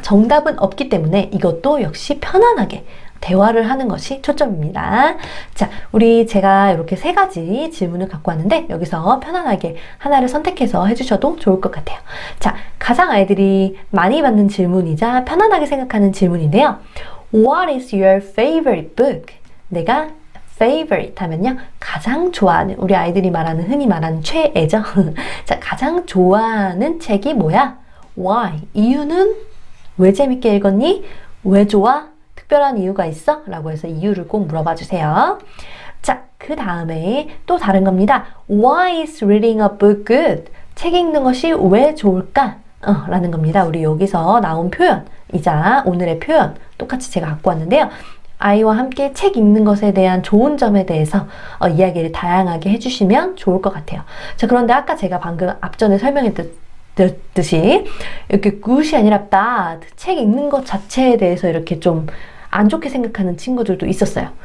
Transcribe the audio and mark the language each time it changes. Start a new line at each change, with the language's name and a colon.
Korean: 정답은 없기 때문에 이것도 역시 편안하게 대화를 하는 것이 초점입니다. 자, 우리 제가 이렇게 세 가지 질문을 갖고 왔는데 여기서 편안하게 하나를 선택해서 해주셔도 좋을 것 같아요. 자, 가장 아이들이 많이 받는 질문이자 편안하게 생각하는 질문인데요.
English: What is your favorite book?
Korean: 내가 favorite 하면요. 가장 좋아하는, 우리 아이들이 말하는, 흔히 말하는 최애죠. 자, 가장 좋아하는 책이 뭐야? Why? 이유는? 왜 재밌게 읽었니? 왜 좋아? 특별한 이유가 있어? 라고 해서 이유를 꼭 물어봐 주세요. 자, 그 다음에 또 다른 겁니다.
English: Why is reading a book good?
Korean: 책 읽는 것이 왜 좋을까? 라는 겁니다. 우리 여기서 나온 표현이자 오늘의 표현 똑같이 제가 갖고 왔는데요. 아이와 함께 책 읽는 것에 대한 좋은 점에 대해서 이야기를 다양하게 해주시면 좋을 것 같아요. 자, 그런데 아까 제가 방금 앞전에 설명했듯이 이렇게 굿이 아니라 bad, 책 읽는 것 자체에 대해서 이렇게 좀안 좋게 생각하는 친구들도 있었어요.